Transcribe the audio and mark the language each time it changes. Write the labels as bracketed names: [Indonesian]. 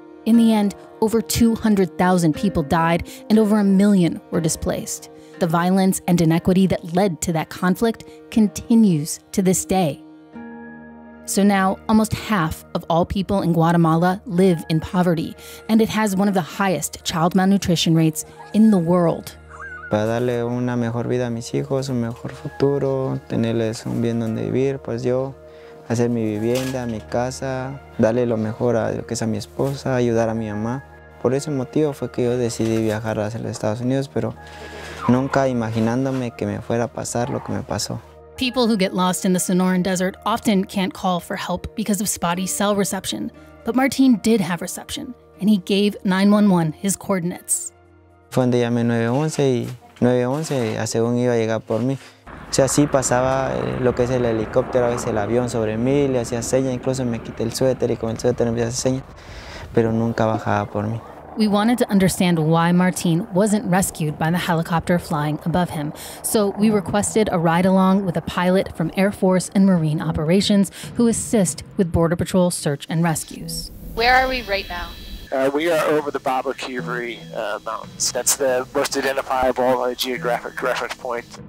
[English] In the end, over 200,000 people died and over a million were displaced. The violence and inequity that led to that conflict continues to this day. So now, almost half of all people in Guatemala live in poverty, and it has one of the highest child malnutrition rates in the world. [Spanish] Para darle una mejor vida a mis hijos, un mejor futuro, tenerles un bien donde vivir, pues yo hacer mi vivienda, mi casa, darle lo mejor a lo que es a mi esposa, ayudar a mi mamá. Por ese motivo fue que yo decidí viajar hacia los Estados Unidos, pero nunca imaginándome que me fuera a pasar lo que me pasó. [English] People who get lost in the Sonoran Desert often can't call for help because of spotty cell reception. But Martin did have reception, and he gave 911 his coordinates. [Spanish] Fue donde llamé 911 y 911 a según iba a llegar por mí. O sea, sí pasaba lo que es el helicóptero, a veces el avión sobre mí, le hacía señas, incluso me quité el suéter y con el suéter empecé a hacer señas, pero nunca bajaba por mí. [English] We wanted to understand why Martin wasn't rescued by the helicopter flying above him. So we requested a ride along with a pilot from Air Force and Marine Operations who assist with Border Patrol search and rescues. Where are we right now? We are over the Babakiri Mountains. That's the most identifiable geographic reference point.